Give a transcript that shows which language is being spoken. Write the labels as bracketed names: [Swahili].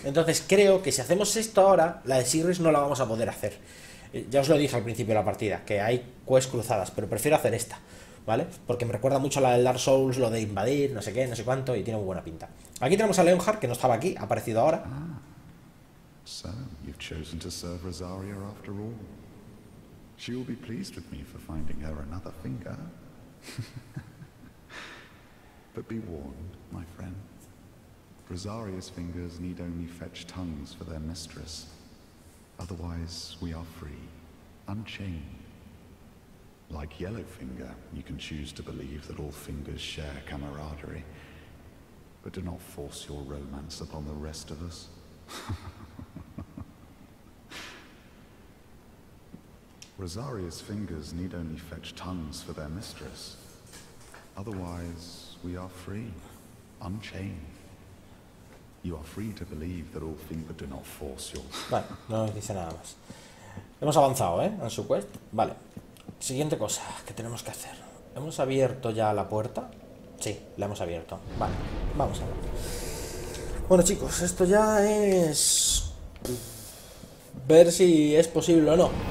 [Spanish] Entonces creo que si hacemos esto ahora, la de Siris no la vamos a poder hacer. Ya os lo dije al principio de la partida, que hay quests cruzadas, pero prefiero hacer esta, ¿vale? Porque me recuerda mucho a la del Dark Souls, lo de invadir, no sé qué, no sé cuánto, y tiene muy buena pinta. Aquí tenemos a Leonhard, que no estaba aquí, ha aparecido ahora. [English] So, you've chosen to serve Rosaria after all. She will be pleased with me for finding her another finger. But be warned, my friend. Rosaria's fingers need only fetch tongues for their mistress. Otherwise, we are free, unchained. Like Yellowfinger, you can choose to believe that all fingers share camaraderie. But do not force your romance upon the rest of us. Rosaria's fingers need only fetch tongues for their mistress. Otherwise, we are free, unchained. You are free to believe that all things, but do not force your. [Spanish] Vale, no nos dice nada más. Hemos avanzado, ¿eh? En su quest. Vale. Siguiente cosa que tenemos que hacer. ¿Hemos abierto ya la puerta? Sí, la hemos abierto. Vale, vamos a ver. Bueno, chicos, esto ya es ver si es posible o no.